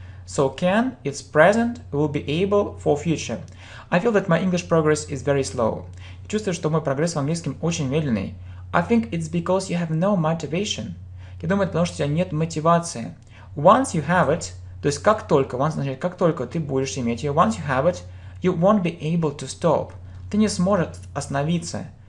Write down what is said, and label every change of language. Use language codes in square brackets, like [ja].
[en] So can, it's present, will be able for future. I feel that my English progress is very slow. [ru] Я чувствую, что мой прогресс в английском очень медленный. [en] I think it's because you have no motivation. [ru] Я думаю, это потому, что у тебя нет мотивации. [en] Once you have it, [ru] то есть как только, [en] once, [ru] значит, как только ты будешь иметь ее, [en] once you have it, you won't be able to stop. [ru] Ты не сможешь остановиться.